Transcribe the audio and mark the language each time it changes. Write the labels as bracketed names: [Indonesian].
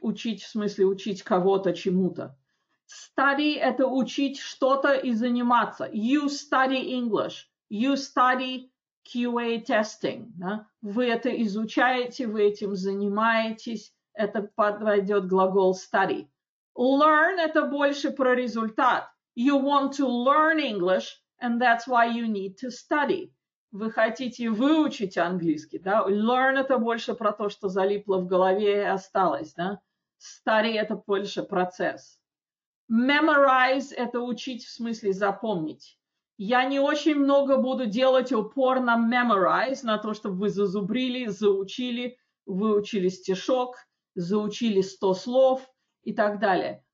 [Russian] Учить, в смысле, учить кого-то чему-то. Study – это учить что-то и заниматься. [English] You study English. You study QA testing. [Russian] Да? Вы это изучаете, вы этим занимаетесь. Это подойдет глагол study. Learn – это больше про результат. [English] You want to learn English, and that's why you need to study. [Russian] Вы хотите выучить английский, да? Learn – это больше про то, что залипло в голове и осталось, да? Study – это больше процесс. Memorize – это учить, в смысле запомнить. Я не очень много буду делать упор на memorize, на то, чтобы вы зазубрили, заучили, выучили стишок, заучили 100 слов и так далее.